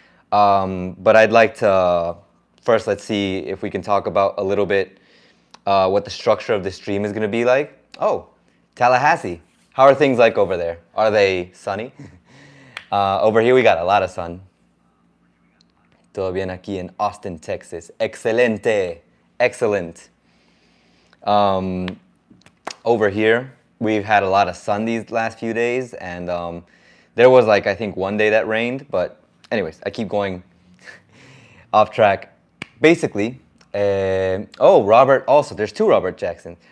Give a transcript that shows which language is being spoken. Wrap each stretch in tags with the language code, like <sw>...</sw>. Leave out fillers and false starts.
<en>But I'd like to first, let's see if we can talk about a little bit what the structure of the stream is going to be like. Oh, Tallahassee, how are things like over there? Are they sunny? Over here we got a lot of sun.</en> <es>Todo bien aquí en Austin, Texas. Excelente, excellent.</es> <en>Over here we've had a lot of sun these last few days, and there was, like, I think one day that rained, but anyways, I keep going off track. Basically, oh, Robert also. There's two Robert Jackson.</en>